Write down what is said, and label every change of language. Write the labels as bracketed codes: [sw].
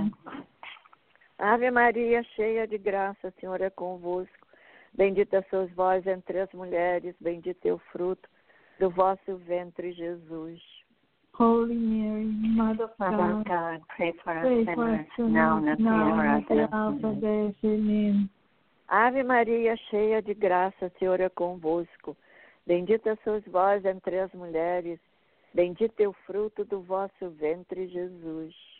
[pt] Ave Maria, cheia de graça, o Senhor é convosco. Bendita sois vós entre as mulheres, bendito é o fruto do vosso ventre, Jesus. [en] Holy Mary, Mother of God, pray for us sinners now and at the hour of death. Amen. [pt] Ave Maria, cheia de graça, o Senhor é convosco. Bendita sois vós entre as mulheres, bendito é o fruto do vosso ventre, Jesus.